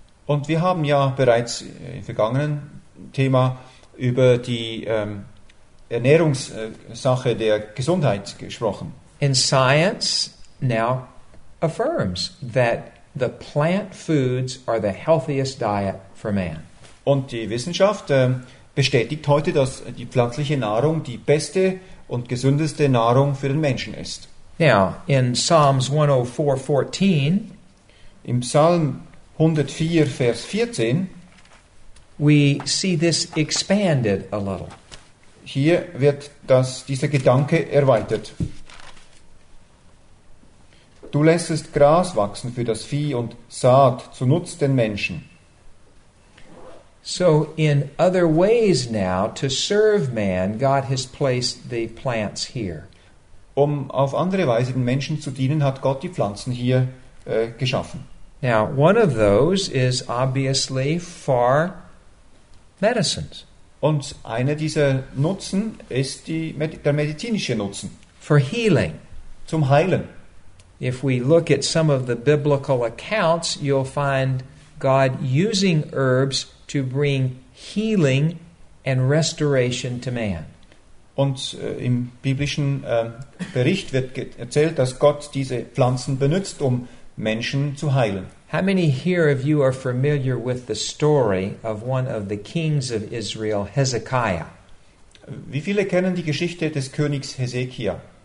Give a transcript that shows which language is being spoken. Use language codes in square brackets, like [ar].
[de] Und wir haben ja bereits im vergangenen Thema über die Ernährungssache der Gesundheit gesprochen. [en] And science now affirms that the plant foods are the healthiest diet for man. [de] Und die Wissenschaft bestätigt heute, dass die pflanzliche Nahrung die beste und gesündeste Nahrung für den Menschen ist. [en] Now, in Psalms 104:14, [de] im Psalm 104, Vers 14, [en] we see this expanded a little. [de] Hier wird dieser Gedanke erweitert. Du lässest Gras wachsen für das Vieh und Saat zu Nutz den Menschen. [en] So, in other ways now, to serve man, God has placed the plants here. [de] Um auf andere Weise den Menschen zu dienen, hat Gott die Pflanzen hier geschaffen. [en] Now, one of those is obviously for medicines. [de] Und einer dieser Nutzen ist der medizinische Nutzen. [en] For healing. [de] Zum Heilen. [en] If we look at some of the biblical accounts, you'll find God using herbs to bring healing and restoration to man. [de] Und im biblischen Bericht wird erzählt, dass Gott diese Pflanzen benutzt, um Menschen zu heilen. [en] How many here of you are familiar with the story of one of the kings of Israel, Hezekiah? [de] Wie viele kennen die Geschichte des Königs Hiskia?